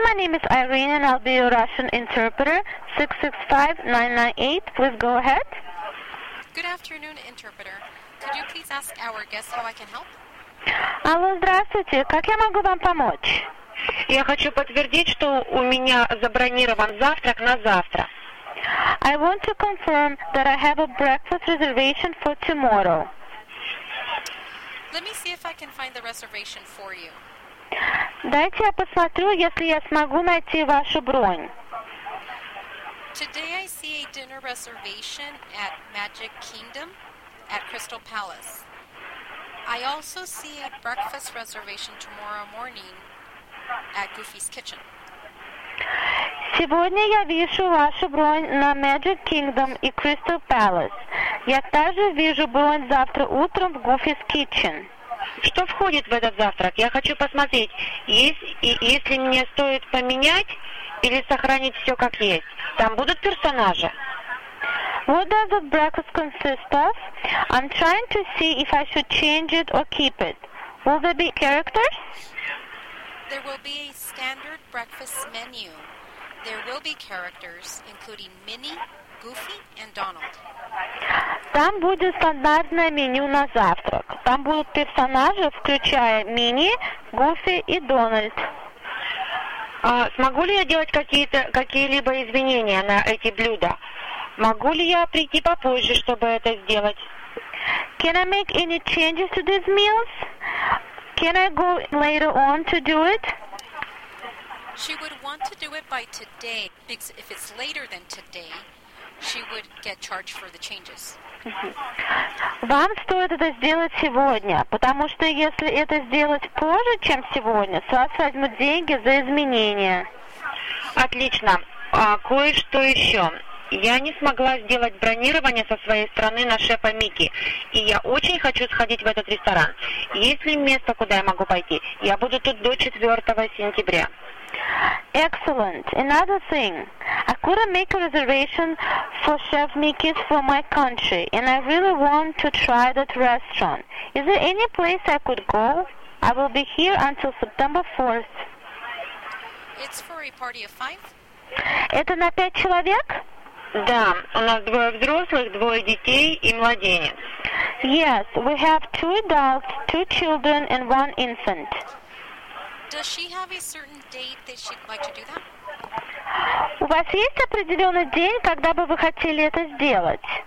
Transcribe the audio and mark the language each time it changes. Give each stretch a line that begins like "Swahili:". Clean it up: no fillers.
English: My name is Irene, and I'll be your Russian interpreter. 665-998. Please go ahead. Good afternoon, interpreter. Could you please ask our guest how I can help?
Russian: Алло, здравствуйте. Как я могу вам помочь? Я хочу подтвердить, что у меня забронирован завтрак на завтра.
English: I want to confirm that I have a breakfast reservation for tomorrow. Let me see if I can find the reservation for you.
Russian: Дайте я посмотрю, если я смогу найти вашу бронь.
English: Today I see a dinner reservation at Magic Kingdom at Crystal Palace. I also see a breakfast reservation tomorrow morning at Goofy's Kitchen.
Russian: Сегодня я вижу вашу бронь на Magic Kingdom и Crystal Palace. Я также вижу бронь завтра утром в Goofy's Kitchen. Что входит в этот завтрак? Я хочу посмотреть, если мне стоит поменять или сохранить все как есть. Там будут персонажи.
English: What does the breakfast consist of? I'm trying to see if I should change it or keep it. Will there be characters? There will be a standard breakfast menu. There will be characters, including Minnie, Goofy, and Donald.
Russian: Там будет стандартное меню на завтрак. Там будут персонажи, включая Минни, Гуфи и Дональд. Смогу ли я делать какие-либо изменения на эти блюда? Могу ли я прийти попозже, чтобы это сделать?
English: Can I make any changes to these meals? Can I go later on to do it? She would want to do it by today, because if it's later than today, she would get charged for the changes.
Russian: Вам стоит это сделать сегодня, потому что если это сделать позже, чем сегодня, с вас возьмут деньги за изменения. Отлично. Кое-что еще. Я не смогла сделать бронирование со своей стороны на шефа Микки, и я очень хочу сходить в этот ресторан. Есть ли место, куда я могу пойти? Я буду тут до 4 сентября.
English: Excellent. Another thing. I couldn't make a reservation for Chef Mickey's for my country, and I really want to try that restaurant. Is there any place I could go? I will be here until September 4th. It's for a party of five?
Russian: Это на пять человек? Да, у нас двое взрослых, двое детей и младенец.
English: Yes, we have two adults, two children and one infant. Does she have a certain date that she'd like to do that?
Russian: У вас есть определенный день, когда бы вы хотели это сделать?